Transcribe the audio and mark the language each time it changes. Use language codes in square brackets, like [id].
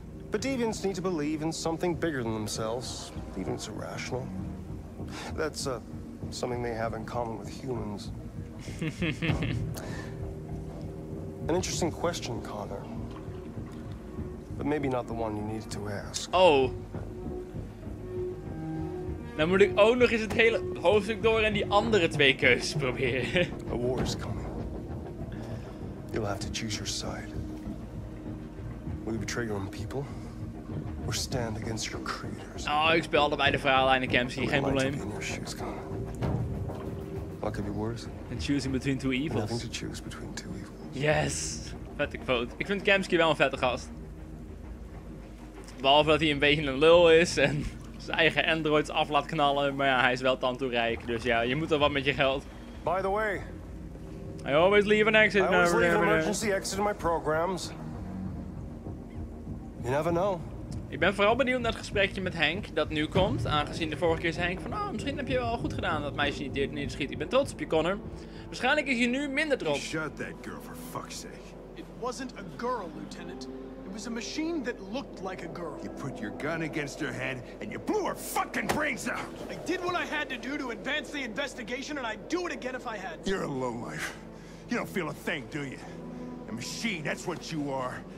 [en] But deviants need to believe in something bigger than themselves, even if it's irrational. That's something they have in common with humans. An interesting question, Connor. But maybe not the one you needed to ask. Oh. [nl] Dan moet ik ook nog eens het hele hoofdstuk door en die andere twee keuzes proberen. [en] A war is coming. You'll have to choose your side. Will you betray your own people? Or stand against your creators? [nl] Oh, ik speel allebei de verhaallijnen, Kempsey. Geen probleem. [en] What could be worse? And choosing between two evils. Nothing to choose between two evils. [nl] Yes! Vette quote. Ik vind Kempsey wel een vette gast. Behalve dat hij een beetje een lul is en zijn eigen androids af laat knallen. Maar ja, hij is wel tand toe rijk. Dus ja, je moet er wat met je geld. [en] By the way. I always leave an exit. I always leave an emergency exit in my programs. You never know. [nl] Ik ben vooral benieuwd naar het gesprekje met Henk dat nu komt. Aangezien de vorige keer zei Henk van, oh, misschien heb je wel goed gedaan dat meisje niet dit schiet. Ik ben trots op je, Connor. Waarschijnlijk is je nu minder trots. [en] Shut that girl, for fuck's sake. It wasn't a girl, Lieutenant. It was a machine that looked like a girl. You put your gun against her head and you blew her fucking brains out. I did what I had to do to advance the investigation and I'd do it again if I had to. You're a lowlife. You don't feel a thing, do you? A machine, that's what you are.